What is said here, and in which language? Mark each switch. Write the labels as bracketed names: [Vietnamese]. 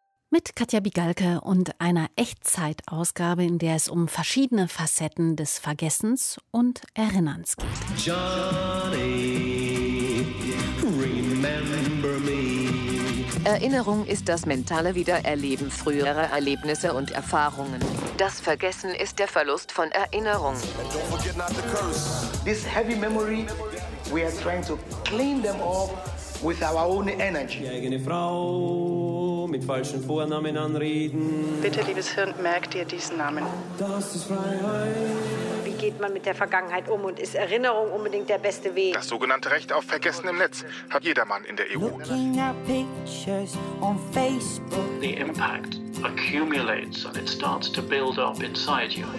[German] Mit Katja Bigalke und einer Echtzeitausgabe, in der es um verschiedene Facetten des Vergessens und Erinnerns geht. [English] Johnny, remember me. [German] Erinnerung ist das mentale Wiedererleben früherer Erlebnisse und Erfahrungen. Das Vergessen ist der Verlust von Erinnerung. [English] And don't forget not the curse. This heavy memory, we are trying to clean them off with our own energy. [German] Die eigene Frau mit falschen Vornamen anreden. Bitte, liebes Hirn, merk dir diesen Namen. Das ist Freiheit. Wie geht man mit der Vergangenheit um und ist Erinnerung unbedingt der beste Weg? Das sogenannte Recht auf Vergessen im Netz hat jedermann in der EU. [English] Looking at pictures on Facebook. The impact accumulates and it starts to build up inside you.